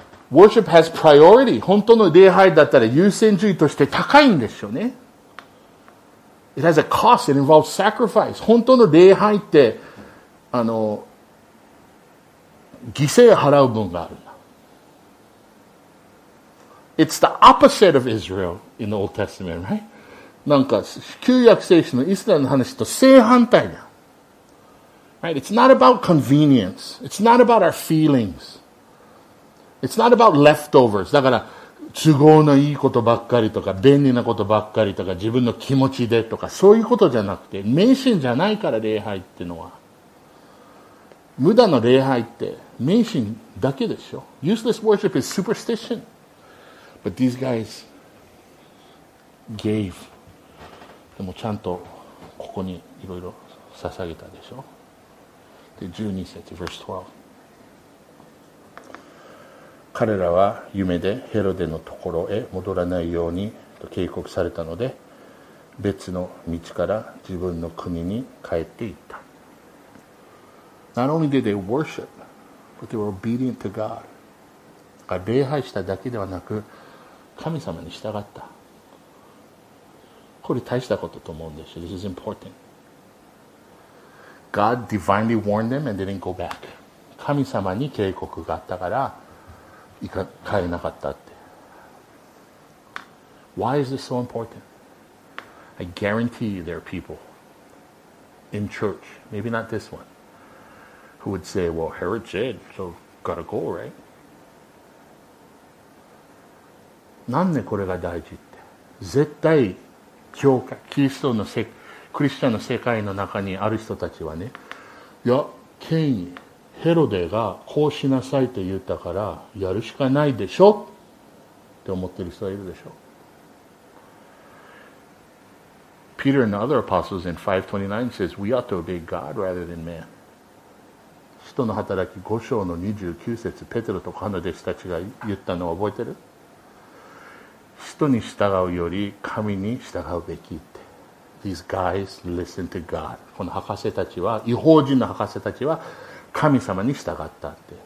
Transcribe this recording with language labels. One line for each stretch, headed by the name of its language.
English: worship has priority.
Japanese: 本当の礼拝だったら優先順位として高いんですよね。
English: It has a cost. It involves sacrifice.
Japanese: 本当の礼拝って、犠牲払う分がある。
English: It's the opposite of Israel in the Old Testament, right?
Japanese: なんか、旧約聖書のイスラエルの話と正反対だ。
English: Right? It's not about convenience. It's not about our feelings. It's not about leftovers.
Japanese: だから、都合のいいことばっかりとか、便利なことばっかりとか、自分の気持ちでとか、そういうことじゃなくて、迷信じゃないから礼拝ってのは。無駄の礼拝って迷信だけでしょ。
English: Useless worship is superstition. But these guys gave.
Japanese: でもちゃんとここにいろいろ捧げたでしょ。で12節
English: verse 12。
Japanese: 彼らは夢でヘロデのところへ戻らないようにと警告されたので、別の道から自分の国に帰っていった。
English: Not only did they worship, but they were obedient to God.
Japanese: 礼拝しただけではなく神様に従った。これ大したことと思うんですよ。
English: This is important. God divinely warned them and they didn't go back.
Japanese: 神様に警告があったから帰れなかったって。
English: Why is this so important? I guarantee you there are people in church, maybe not this one, who would say, well, Herod said, so gotta go, right?
Japanese: なんでこれが大事って。絶対、教会、キリストのクリスチャンの世界の中にある人たちはね、いや、権威、ヘロデがこうしなさいと言ったから、やるしかないでしょって思ってる人はいるでしょ。
English: Peter and the other apostles in 529 says, we ought to obey God rather than man.
Japanese: 使徒の働き5章の29節、ペテロと他の弟子たちが言ったのを覚えてる? 人に従うより神に従うべきって。
English: These guys listen to God.
Japanese: この博士たちは、異邦人の博士たちは神様に従ったって。